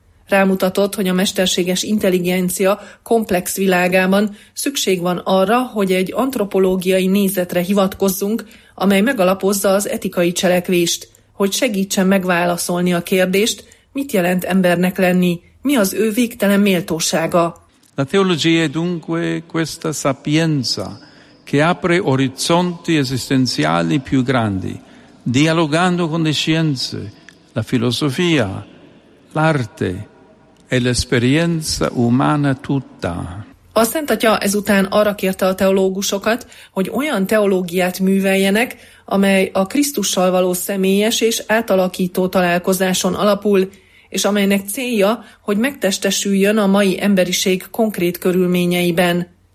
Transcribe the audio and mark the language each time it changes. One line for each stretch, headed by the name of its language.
Hungarian: Rámutatott, hogy a mesterséges intelligencia komplex világában szükség van arra, hogy egy antropológiai nézetre hivatkozzunk, amely megalapozza az etikai cselekvést, hogy segítsen megválaszolni a kérdést, mit jelent embernek lenni, mi az ő végtelen méltósága.
Italian: La teologia è dunque questa sapienza che apre orizzonti esistenziali più grandi, dialogando con le scienze, la filosofia, l'arte e l'esperienza umana tutta.
Hungarian: A Szent Atya ezután arra kérte a teológusokat, hogy olyan teológiát műveljenek, amely a Krisztussal való személyes és átalakító találkozáson alapul, és amelynek célja, hogy megtestesüljön a mai emberiség konkrét körülményeiben.